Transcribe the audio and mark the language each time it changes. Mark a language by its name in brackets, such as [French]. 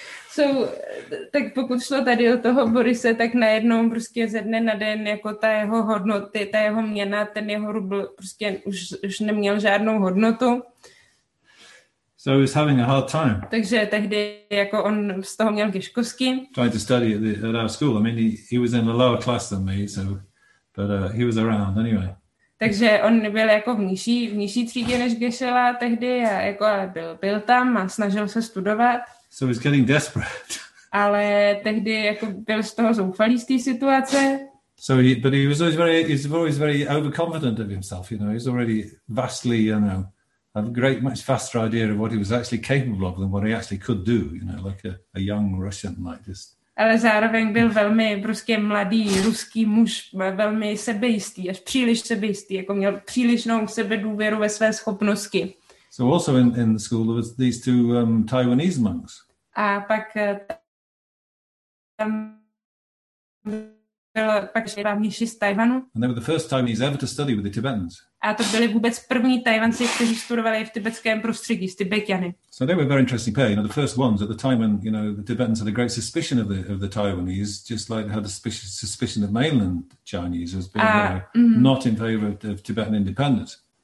[Czech] jsou, tak pokud šlo tady o toho Borise, tak najednou prostě ze dne na den jako ta jeho hodnoty, ta jeho měna, ten jeho rubl prostě už neměl žádnou hodnotu. [English] So he was having a hard time. [Czech] Takže tehdy jako on z toho měl kiškovský. [English] Trying to study at our school. I mean, he was in a lower class than me, so but he was around anyway. [Czech] Takže on byl jako v nižší třídě než Gešela tehdy a jako byl tam a snažil se studovat. [English] So he's getting desperate. [Czech] Ale tehdy jako byl z toho zoufalý z té situace. [English] So he was always very overconfident of himself, you know. He's already vastly, you know, a great much faster idea of what he was actually capable of than what he actually could do, you know, like a young Russian like this. [Czech] Ale zároveň byl velmi prostě mladý ruský muž, velmi sebejistý, až příliš sebejistý, jako měl přílišnou sebe důvěru ve své schopnosti. [English] So also in the school there was these two Taiwanese monks. [Czech] A pak tam byl pak mniši z Tajvanu. [English] And they were the first Taiwanese ever to study with the Tibetans. [Czech] A to byli vůbec první Tajvanci, kteří studovali v tibetském prostředí s Tibetany. [English] So they were a very interesting pair, you know, the first ones at the time when, you know, the Tibetans had a great suspicion of the Taiwanese, just like they had a suspicion of mainland Chinese as being not in favor of Tibetan independence.